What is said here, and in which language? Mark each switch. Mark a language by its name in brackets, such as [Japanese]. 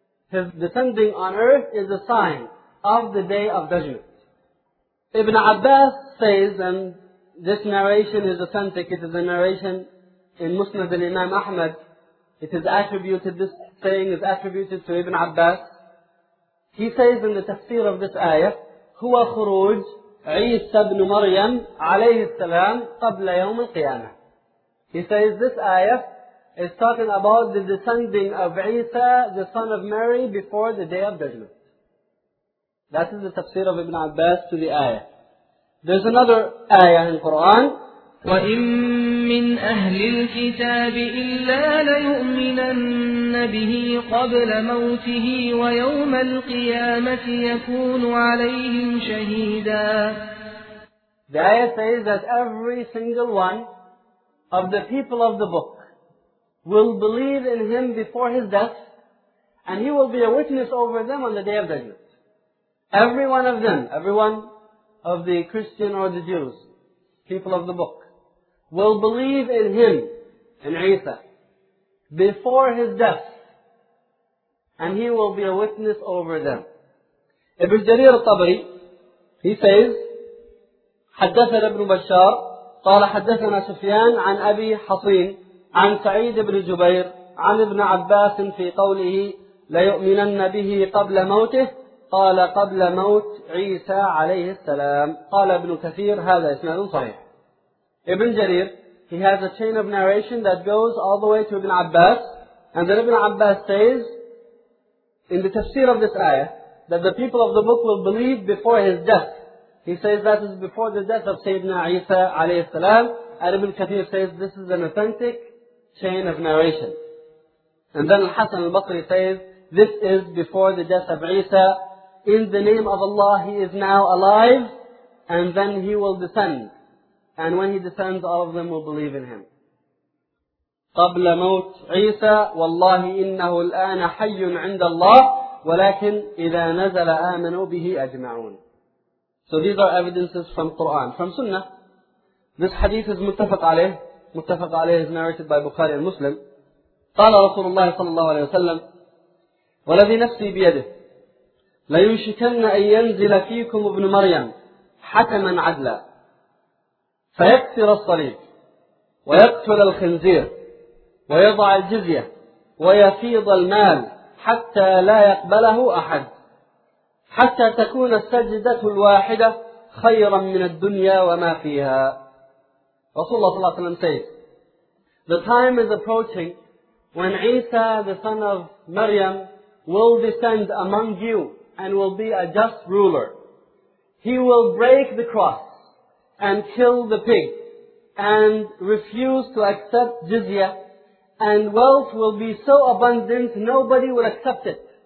[English] His descending on earth is a sign of the day of judgment. Ibn Abbas says, and this narration is authentic, it is a narration in Musnad al-Imam Ahmad, it is attributed, this saying is attributed to Ibn Abbas. He says in the tafsir of this ayah, [Arabic] هُوَ خُرُوج عِيسَى بْنُ مَرْيَمْ عَلَيْهِ السَّلَامِ قَبْلَ يَوْمِ الْقِيَامَةِ. [English] He says this ayah is talking about the descending of Isa, the son of Mary, before the day of judgment. That is the tafsir of Ibn Abbas to the ayah. There's another ayah in Quran. [Arabic] وَإِن مِّنْ أَهْلِ الْكِتَابِ إِلَّا لَيُؤْمِنَنَّ بِهِ قَبْلَ مَوْتِهِ وَيَوْمَ الْقِيَامَةِ يَكُونُ عَلَيْهِمْ شَهِيدًا. [English] The ayah says that every single one of the people of the book will believe in him before his death, and he will be a witness over them on the day of judgment. Every one of them, every one of the Christian or the Jews, people of the book, will believe in him, in Isa, before his death, and he will be a witness over them. [Arabic] Ibn Jarir al-Tabri, [English] he says, [Arabic] حدثنا ابن بشار قال حدثنا سفيان عن أبي حصين عن سعيد بن جبير عن ابن عباس في قوله ليؤمنن به قبل موته قال قبل موت عيسى عليه السلام قال ابن كثير هذا إسناد صحيح. [English] Ibn Jarir, he has a chain of narration that goes all the way to Ibn Abbas. And then Ibn Abbas says, in the tafsir of this ayah, that the people of the book will believe before his death. He says that is before the death of Sayyidina Isa alayhi salam. And Ibn Kathir says this is an authentic chain of narration. And then Al-Hasan al-Basri says, this is before the death of Isa. In the name of Allah, he is now alive. And then he will descend. And when he descends, all of them will believe in him. [Arabic] قبل موت عيسى والله إنه الآن حي عند الله ولكن إذا نزل آمنوا به أجمعون. [English] So these are evidences from Quran, from Sunnah. This hadith is [Arabic] متفق عليه. متفق عليه [English] is narrated by Bukhari and Muslim. [Arabic] قال رسول الله صلى الله عليه وسلم والذي نفسي بيده ليشكن أن ينزل فيكم ابن مريم حكما عدلا فيكسر الصليب ويقتل الخنزير ويضع الجزية ويفيض المال حتى لا يقبله أحد حتى تكون السجدة الواحدة خيرا من الدنيا وما فيها. رسول الله صلى الله عليه وسلم [English] says, the time is approaching when Isa the son of Maryam will descend among you and will be a just ruler. He will break the cross and kill the pig, and refuse to accept jizya, and wealth will be so abundant, nobody will accept it.